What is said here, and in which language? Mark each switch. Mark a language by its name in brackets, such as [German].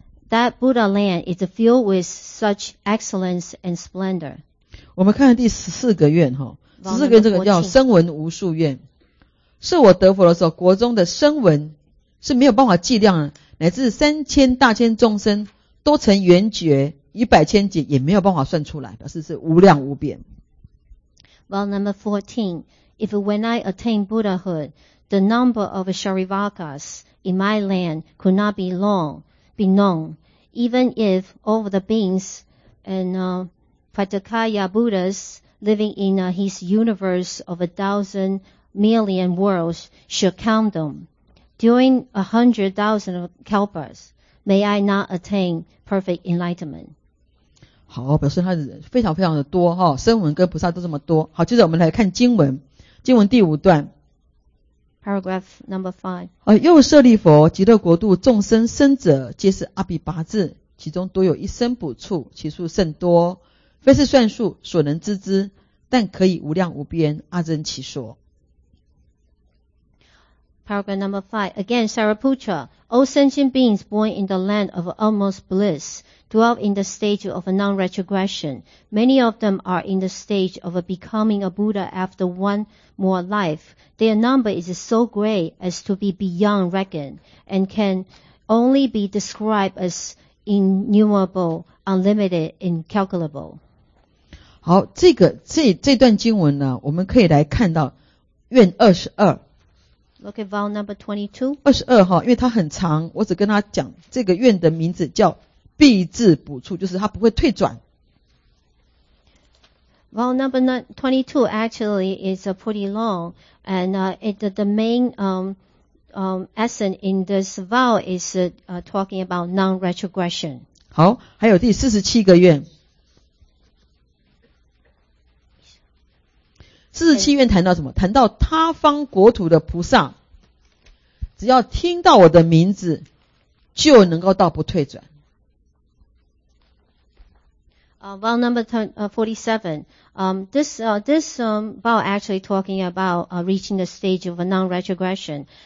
[English] That Buddha land is filled with such excellence and splendor. [Chinese] 我们看看第十四个愿，十四个愿这个叫声闻无数愿。是我得佛的时候，国中的声闻是没有办法计量，乃至三千大千众生都成缘觉。一百千劫也没有办法算出来，表示是无量无边。 [English] Well, number 14, if when I attain Buddhahood, the number of Sharivakas in my land could not be known, even if all of the beings and Pratikaya Buddhas living in his universe of 1,000,000,000 worlds should count them. During 100,000 kalpas, may I not attain perfect enlightenment? [Chinese] 好，表示他非常非常的多哈，声闻跟菩萨都这么多。好，接着我们来看经文，经文第五段 [English] ，paragraph number five。 [Chinese] 又舍利弗，极乐国度众生生者皆是阿比跋致，其中多有一生补处，其数甚多，非是算数所能知之，但可以无量无边阿僧祇说。 [English] Paragraph number 5. Again, Sariputra, all sentient beings born in the land of almost bliss dwell in the stage of a non-retrogression. Many of them are in the stage of a becoming a Buddha after one more life. Their number is so great as to be beyond reckon and can only be described as innumerable, unlimited, incalculable. [Chinese] 好，这个这段经文呢，我们可以来看到愿二十二。 [English] Look at vow number 22. [Chinese] 二十二哈，因为它很长，我只跟他讲这个愿的名字叫必至补处，就是它不会退转。 [English] Vow number 22 actually is pretty long, and the main essence in this vow is talking about non-retrogression. [Chinese] 好，还有第四十七个愿。四十七愿谈到什么？谈到他方国土的菩萨，只要听到我的名字，就能够到不退转。 [English] Vow number 47. This vow actually talking about reaching the stage of a non-retrogression.